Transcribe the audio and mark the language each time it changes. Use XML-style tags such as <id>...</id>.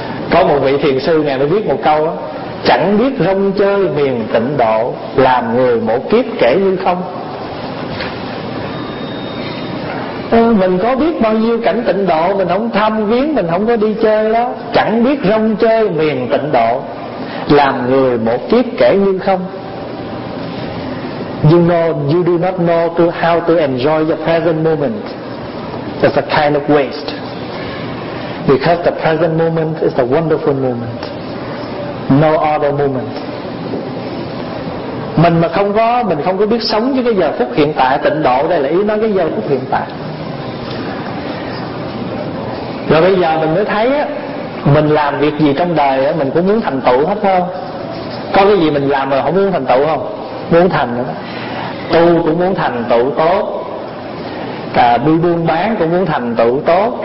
<vi>Có một vị thiền sư ngài mới viết một câu đó: chẳng biết rong chơi miền tịnh độ, làm người một kiếp kể như không. Mình có biết bao nhiêu cảnh tịnh độ, mình không thăm viếng, mình không có đi chơi đó. Chẳng biết rong chơi miền tịnh độ, làm người một kiếp kể như không.</vi> <en>You know, you do not know to how to enjoy the present moment. It's a kind of waste. Because the present moment is a wonderful moment. No other moment.</en> <vi>Mình mà không có, mình không có biết sống với cái giờ phút hiện tại. Tịnh độ đây là ý nói cái giờ phút hiện tại. Rồi bây giờ mình mới thấy á, mình làm việc gì trong đời á, mình cũng muốn thành tựu hết không? Có cái gì mình làm mà không muốn thành tựu không? Muốn thành nữa. Tu cũng muốn thành tựu tốt, cả đi buôn bán cũng muốn thành tựu tốt.</vi>